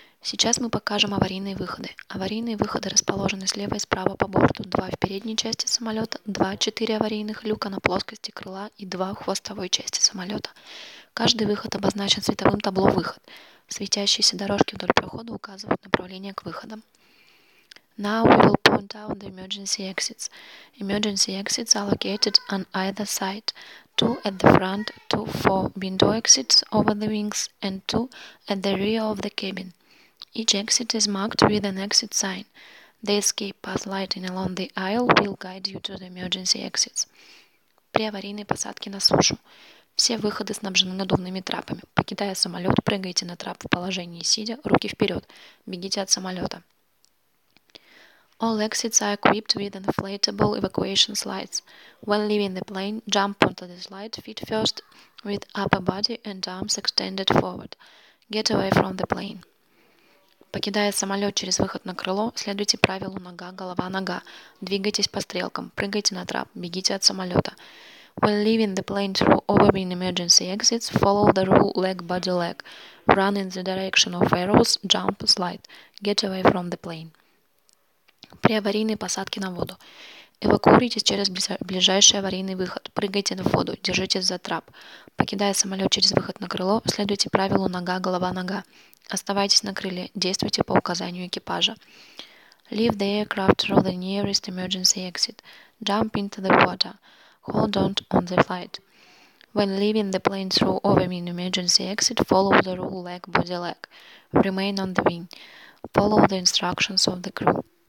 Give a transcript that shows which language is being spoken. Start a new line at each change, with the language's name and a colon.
Russian: Сейчас мы покажем аварийные выходы. Аварийные выходы расположены слева и справа по борту, два в передней части самолета, 2-4 аварийных люка на плоскости крыла и 2 в хвостовой части самолета. Каждый выход обозначен световым табло «Выход». Светящиеся дорожки вдоль прохода указывают направление к выходам.
English: Now we will point out the emergency exits. Emergency exits are located on either side. 2 at the front, 2 for window exits over the wings, and 2 at the rear of the cabin. Each exit is marked with an exit sign. The escape path lighting along the aisle will guide you to the emergency exits.
Russian: При аварийной посадке на сушу. Все выходы снабжены надувными трапами. Покидая самолет, прыгайте на трап в положении сидя, руки вперед. Бегите от самолета.
English: All exits are equipped with inflatable evacuation slides. When leaving the plane, jump onto the slide feet first with upper body and arms extended forward. Get away from the plane.
Russian: Покидая самолет через выход на крыло, следуйте правилу нога, голова, нога. Двигайтесь по стрелкам. Прыгайте на трап. Бегите от самолета.
English: When leaving the plane through overwing emergency exits, follow the rule leg, body, leg. Run in the direction of arrows, jump, slide. Get away from the plane.
Russian: При аварийной посадке на воду. Эвакуируйтесь через ближайший аварийный выход. Прыгайте на воду. Держитесь за трап. Покидая самолет через выход на крыло, следуйте правилу нога, голова, нога. Оставайтесь на крыле. Действуйте по указанию экипажа.
English: Leave the aircraft through the nearest emergency exit. Jump into the water. Hold on the flight. When leaving the plane through overwing emergency exit, follow the rule leg, body, leg. Remain on the wing. Follow the instructions of the crew.